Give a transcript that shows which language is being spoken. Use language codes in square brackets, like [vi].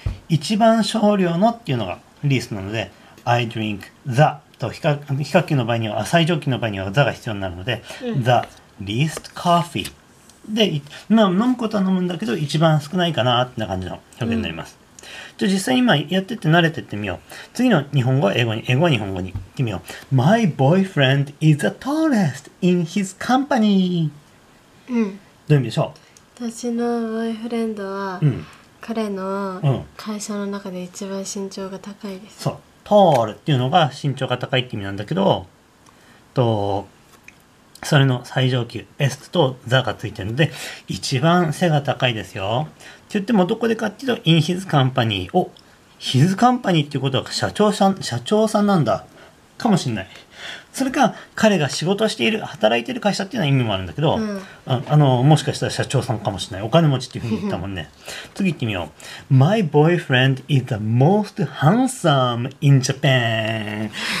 [ja] 一番少量のっていうのがリースなので [en] I drink the [ja] と比較級の場合には、最上級の場合には the が必要になるので、うん、 [en] the least coffee [ja] で、まあ、飲むことは飲むんだけど一番少ないかなってな感じの表現になります、うん、じゃあ実際に今やってって慣れてってみよう。次の日本語は英語に、英語は日本語に行ってみよう。 [en] My boyfriend is the tallest in his company、 [ja] うん、どういう意味でしょう。私のボーイフレンドは、うん、彼の会社の中で一番身長が高いです、うん、そう、トールっていうのが身長が高いって意味なんだけど、とそれの最上級 S と The がついてるので一番背が高いですよって言っても、どこでかっていうと [en] In his company、 [ja] お、his company っていうことは社長さん、社長さんなんだかもしれない。それか彼が仕事している、働いている会社っていうのは意味もあるんだけど、うん、あのもしかしたら社長さんかもしれない、お金持ちっていうふうに言ったもんね次行ってみよう。 [en] My boyfriend is the most handsome in Japan